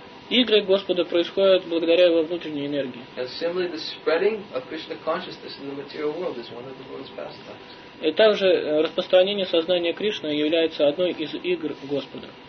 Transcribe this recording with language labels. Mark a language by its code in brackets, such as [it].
[ru] Игры Господа происходят благодаря его внутренней энергии. [en] And similarly, the spreading of Krishna consciousness in the material world is one of the Lord's pastimes. [ru] И также распространение сознания Кришны является одной из игр Господа.